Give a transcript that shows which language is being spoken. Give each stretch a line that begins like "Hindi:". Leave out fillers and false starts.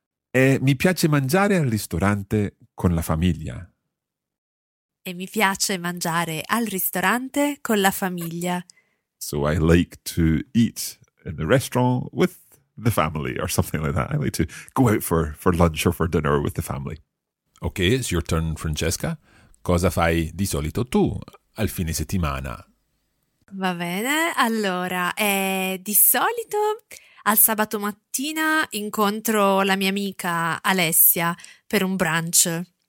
Italian: E mi piace mangiare al ristorante con la famiglia. E mi piace mangiare al ristorante con la famiglia.
English: So I like to eat in the restaurant with the family or something like that. I like to go out for lunch or for dinner with the family. Okay, it's your turn, Francesca.
Italian: Cosa fai di solito tu al fine settimana? Va bene, allora, di solito al sabato mattina incontro la mia amica Alessia per un brunch.